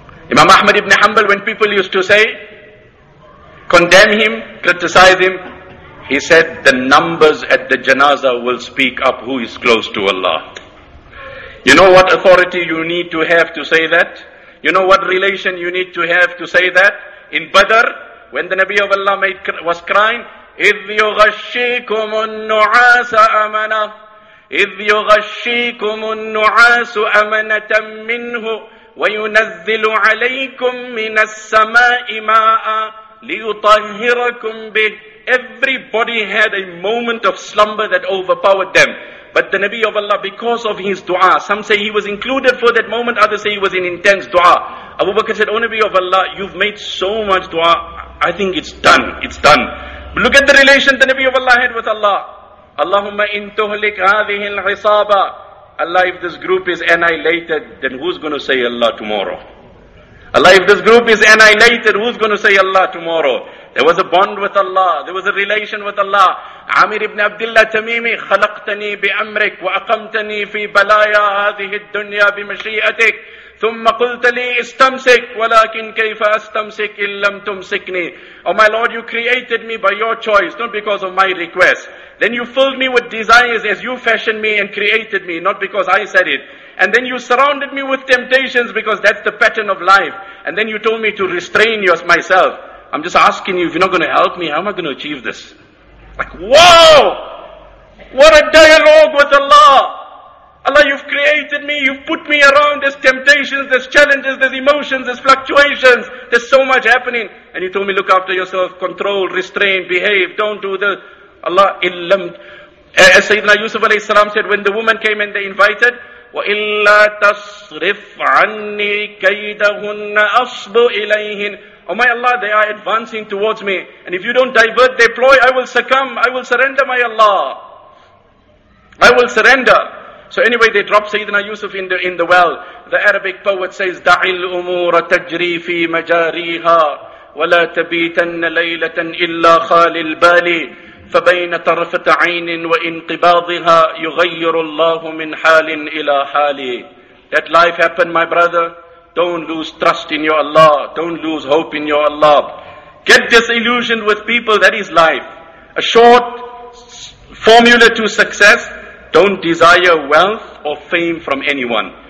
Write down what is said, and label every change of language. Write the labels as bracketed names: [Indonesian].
[English] Imam Ahmad ibn Hanbal, when people used to say, condemn him, criticize him, he said, the numbers at the janazah will speak up who is close to Allah. You know what authority you need to have to say that? You know what relation you need to have to say that? In Badr, when the Nabi of Allah was crying, [Arabic] إِذْ يُغَشِّيكُمُ النُّعَاسَ أَمَنَةً إِذْ يُغَشِّيكُمُ النُّعَاسُ أَمَنَةً مِّنْهُ وَيُنَزِّلُ عَلَيْكُم مِّنَ السَّمَاءِ مَاءً لِيُطَهِّرَكُم بِهِ. [English] Everybody had a moment of slumber that overpowered them. But the Nabi of Allah, because of his dua, some say he was included for that moment, others say he was in intense dua. Abu Bakr said, O Nabi of Allah, you've made so much dua, I think it's done, it's done. But look at the relation the Nabi of Allah had with Allah. [Arabic] Allahumma in tuhlik hadhihi al-hisaba. [English] Allah, if this group is annihilated, then who's going to say Allah tomorrow? Allah, if this group is annihilated, who's going to say Allah tomorrow? There was a bond with Allah. There was a relation with Allah. [Arabic] Amir ibn Abdullah Tamimi, khalaqtani bi amrik wa aqamtani fi balaya hadhihi ad-dunya bi mashi'atik. ثم قلت لي استمسك ولكن كيف استمسك إن لم تمسكني. [English] Oh my Lord, you created me by your choice, not because of my request. Then you filled me with desires as you fashioned me and created me, not because I said it. And then you surrounded me with temptations because that's the pattern of life. And then you told me to restrain myself. I'm just asking you, if you're not going to help me, how am I going to achieve this? Like, whoa! What a dialogue with Allah! Allah, you've created me, you've put me around, there's temptations, there's challenges, there's emotions, there's fluctuations, there's so much happening. And you told me, look after yourself, control, restrain, behave, don't do this. Allah, illam. As Sayyidina Yusuf alayhi salam said, when the woman came and they invited, [Arabic] وَإِلَّا تَصْرِفْ عَنِّي كَيْدَهُنَّ أَصْبُ إِلَيْهِنَّ. [English] Oh my Allah, they are advancing towards me. And if you don't divert their ploy, I will succumb, I will surrender, my Allah. I will surrender. So anyway, they drop Sayyidina Yusuf in the well. The Arabic poet says, [Arabic] دَعِ الْأُمُورَ تَجْرِي فِي مَجَارِيهَا وَلَا تَبِيتَنَّ لَيْلَةً إِلَّا خَالِ الْبَالِ فَبَيْنَ تَرْفَةَ عَيْنٍ وَإِنْقِبَاضِهَا يُغَيِّرُ اللَّهُ مِنْ حَالٍ إِلَى حَالِ. [English] That life happened, my brother. Don't lose trust in your Allah. Don't lose hope in your Allah. Get disillusioned with people. That is life. A short formula to success. Don't desire wealth or fame from anyone.